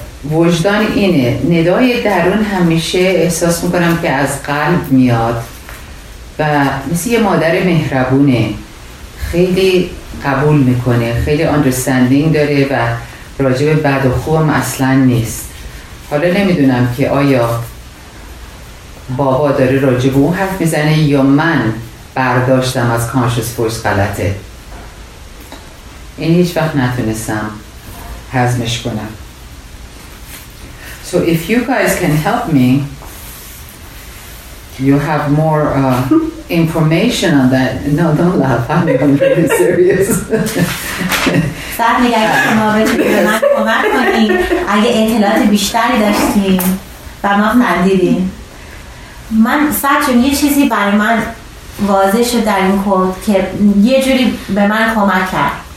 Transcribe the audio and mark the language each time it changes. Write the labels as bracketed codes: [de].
[fa] وجدان اینه، ندای درون همیشه احساس میکنم که از قلب میاد و مثل یه مادر مهربونه، خیلی قبول میکنه، خیلی understanding داره و راجع به بد و خوب هم اصلا نیست. حالا نمیدونم که آیا بابا داره راجع به اون حرف میزنه یا من برداشتم از [en] conscious voice [fa] غلطه. این هیچ وقت نتونستم هضمش کنم. [en] So if you guys can help me, you have more information on that. No, don't laugh. I'm being really serious. [fa] سعی کنید شما بتونید به من کمک کنید اگه اطلاعات بیشتری داشتیم و ما ندیدیم. من سعی کنم یه چیزی برای من واضح شد در این کود که یه جوری به من کمک کرد.